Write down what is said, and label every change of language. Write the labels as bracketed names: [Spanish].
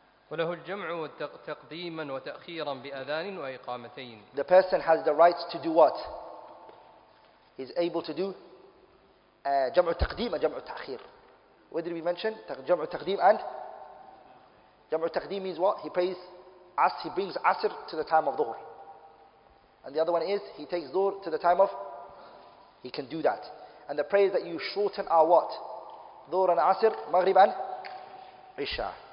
[Arabic] وله الجمع تقديما وتأخيرا بأذان وإقامتين. [English] The person has the right to do what? He's able to do جمع تقديم جمع تأخير. What did we mention? جمع تقديم and جمع تقديم means what? He prays عصر, he brings عصر to the time of ظهر. And the other one is he takes ظهر to the time of. He can do that. And the prayers that you shorten are what? [Arabic] ظهر and عصر, مغرب and عشاء.